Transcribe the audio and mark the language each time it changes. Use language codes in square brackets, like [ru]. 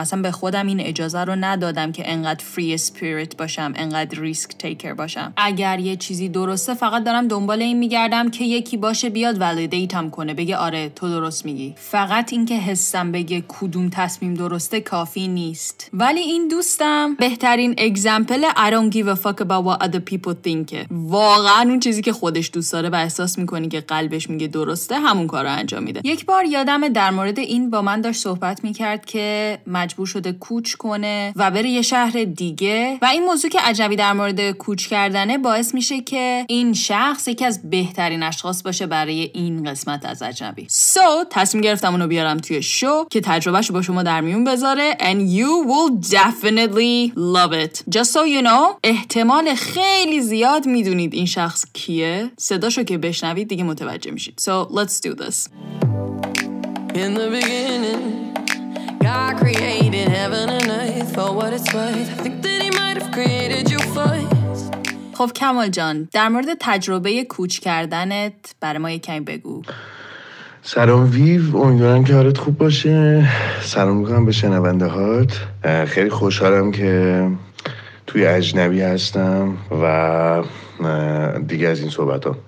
[fa] اصلا به خودم این اجازه رو ندادم که انقدر free spirit باشم، انقدر risk taker باشم. اگر یه چیزی درسته فقط دارم دنبال این میگردم که یکی باشه بیاد validate کنه، بگه آره تو درست میگی. فقط اینکه حس بگه کدوم تصمیم درسته کافی نیست. ولی این دوستم بهترین اگزمپل [en] I don't give a fuck about what other people think. [fa] واقعا اون چیزی که خودش دوست داره و احساس میکنه که قلبش میگه درسته همون کارو انجام میده. یک بار یادم در مورد این با من داشت صحبت میکرد که مجبور شده کوچ کنه و بره یه شهر دیگه و این موضوع که عجبی در مورد کوچ کردنه باعث میشه که این شخص یکی از بهترین اشخاص باشه برای این قسمت از عجبی. So تصمیم گرفتم اونو بیارم توی شو که تجربهشو با شما در میون بذاره [en] and you will definitely love it. Just so you know [fa] احتمال خیلی زیاد میدونید این شخص کیه. صداشو که بشنوید دیگه متوجه میشید. [en] So let's do this. In the beginning God created heaven and earth for what it's worth. I think that he might have created you first. [fa] خب کمال جان در مورد تجربه کوچ کردنت برای ما یکم بگو. سلام ویو، امیدوارم که حالت خوب باشه. سلام میکنم به شنونده هات. خیلی خوشحالم که توی اجنبی هستم و دیگه از این صحبت ها.